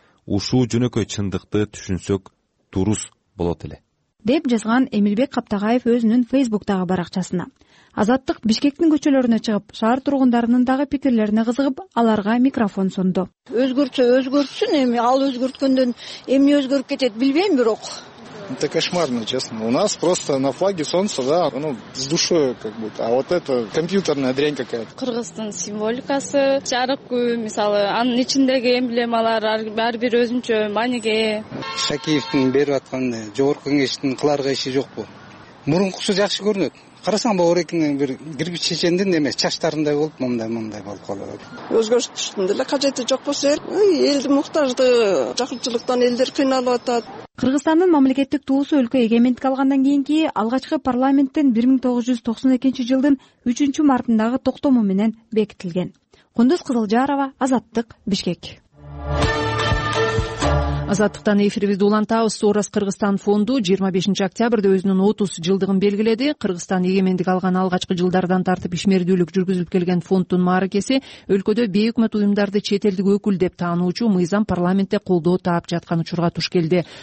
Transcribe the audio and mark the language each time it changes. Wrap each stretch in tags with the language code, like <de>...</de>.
<ky>Ушул жөнөкөй чындыкты түшүнсөк дурус болот эле. Деп жазган Эмилбек Каптагаев өзүнүн Facebook-тагы баракчасына. Азаттык Бишкектин көчөлөрүнө чыгып, шаар тургундарынын дагы пикирлерине кызыгып, аларга микрофон сунду. Өзгөрчө өзгөрсүн, эми ал өзгөрткөндөн эмне өзгөрүп кетет билбейм, бирок</ky> <ru>Это кошмарно, честно. У нас просто на флаге солнце, да, ну, с душой как будто. А вот это компьютерная дрянь какая-то.</ru> <ky>Кыргызстан символикасы. Чарыкку, мисалы, анын ичиндеги эмблемалар, ар бир өзүнчө мааниге. Шакиевдин берип аткан жогорку кеңештин кыларга иши жок бу. Мурункусу жакшы көрүнөт. Карасаң баорекинин бир кирпич чечендин эмес чачтарындай болуп мындай болуп калды. Өзгөрүштүн деле кажети жок болсо элдин муктаждыгы, жакырчылыктан элдер кыйналып атат. Кыргызстандын мамлекеттик туусу өлкө эгемендик алгандан кийинки алгачкы парламенттен 1992 жылдын 3 мартындагы токтому менен бекитилген. Кундуз Кызылжарова, Азаттык, Бишкек. Азаттыктан эфирибизди улантабыз. Орос Кыргызстан фонду 25 октябрда өзүнүн 30 жылдыгын белгиледи. Кыргызстан эгемендик алган алгачкы жылдардан тартып ишмердүүлүк жүргүзүлүп келген фонддун маарекеси өлкөдө бейөкмөт уюмдарды чет элдик өкүл деп таануучу мыйзам парламентте колдоо таап жаткан учурга туш келди.</ky>